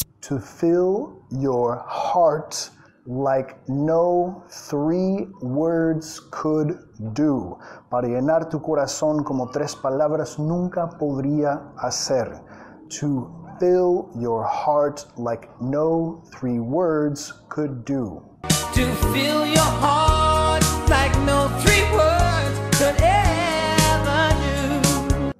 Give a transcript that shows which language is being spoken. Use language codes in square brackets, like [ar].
[en] to fill your heart like no three words could do. [es] Para llenar tu corazón como tres palabras nunca podría hacer. [en] To fill your heart like no three words could do. To fill your heart like no three words could ever do.